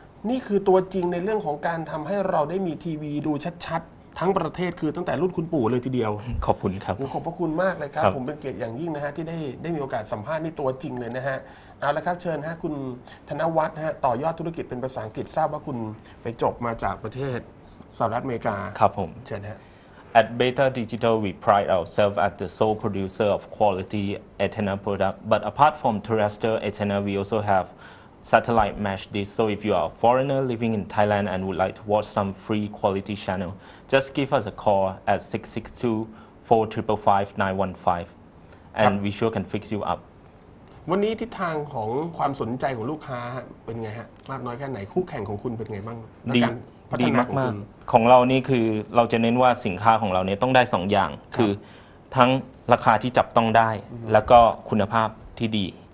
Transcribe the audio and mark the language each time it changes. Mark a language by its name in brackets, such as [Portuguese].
[Thai] นี่คือตัวจริงในเรื่องของการทำให้เราได้มีทีวีดูชัดๆทั้งประเทศคือตั้งแต่รุ่นคุณปู่เลยทีเดียว ขอบคุณครับ ขอบพระคุณมากเลยครับผมเป็นเกียรติอย่างยิ่งนะฮะที่ได้มีโอกาสสัมภาษณ์ในตัวจริงเลยนะฮะเอาละครับเชิญฮะคุณธนวัฒน์ฮะต่อยอดธุรกิจเป็นภาษาอังกฤษทราบว่าคุณไปจบมาจากประเทศสหรัฐอเมริกา ครับผม เชิญฮะ [English] At Beta Digital we pride ourselves as the sole producer of quality antenna product but apart from terrestrial antenna we also haveSatellite mesh disc. So if you are a foreigner living in Thailand and would like to watch some free quality channel, just give us a call at 662-455-915 and we sure can fix you up. [Thai] วันนี้ทิศทางของความสนใจของลูกค้าเป็นไงฮะมากน้อยแค่ไหนคู่แข่งของคุณเป็นไงบ้าง ดีดีมากมากของเรานี่คือเราจะเน้นว่าสินค้าของเราเนี่ยต้องได้สองอย่างคือทั้งราคาที่จับต้องได้แล้วก็คุณภาพที่ดี